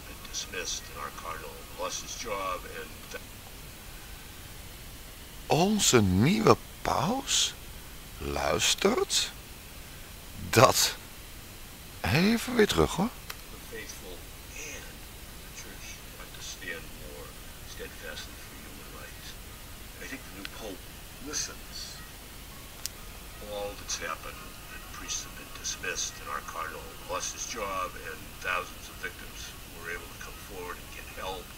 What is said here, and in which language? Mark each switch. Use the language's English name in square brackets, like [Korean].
[English] dismissed and our cardinal lost his job and... [Dutch] Onze nieuwe paus luistert? Dat... Even weer terug hoor. [English] The faithful and the church want to stand more steadfastly for human rights. I think the new pope listens. All that's happened, the priests have been dismissed and our cardinal lost his job and thousands of victims were able to come forward and get help.